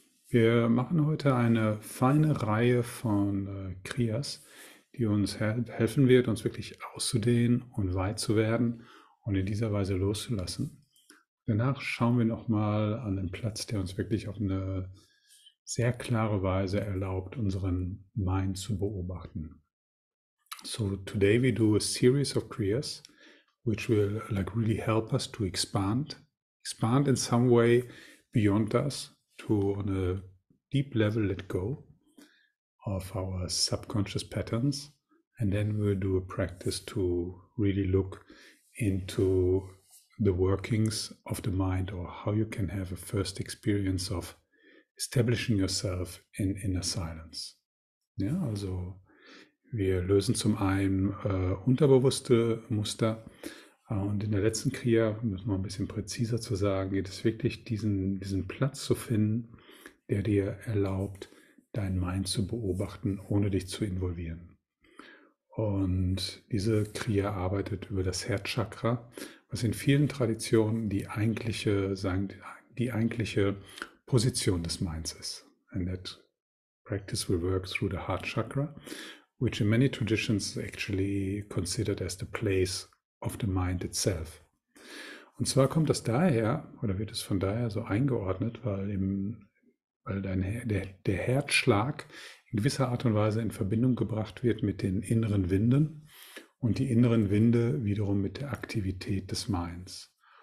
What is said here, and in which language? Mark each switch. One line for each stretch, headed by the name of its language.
German: Wir machen heute eine feine Reihe von Kriyas, die uns helfen wird, uns wirklich auszudehnen und weit zu werden und in dieser Weise loszulassen. Danach schauen wir nochmal an den Platz, der uns wirklich auf eine sehr klare Weise erlaubt, unseren Mind zu beobachten.
English: So today we do a series of kriyas, which will like really help us to expand in some way beyond us to on a deep level let go of our subconscious patterns, and then we'll do a practice to really look into the workings of the mind or how you can have a first experience of establishing yourself in inner silence. Yeah, also.
German: Wir lösen zum einen unterbewusste Muster und in der letzten Kriya, um das mal ein bisschen präziser zu sagen, geht es wirklich diesen Platz zu finden, der dir erlaubt, dein Mind zu beobachten, ohne dich zu involvieren. Und diese Kriya arbeitet über das Herzchakra, was in vielen Traditionen die eigentliche Position des Minds ist.
English: And that practice will work through the heart chakra, which in many traditions actually considered as the place of the mind itself.
German: Und zwar kommt das daher, oder wird es von daher so eingeordnet, weil der Herzschlag in gewisser Art und Weise in Verbindung gebracht wird mit den inneren Winden und die inneren Winde wiederum mit der Aktivität des Minds.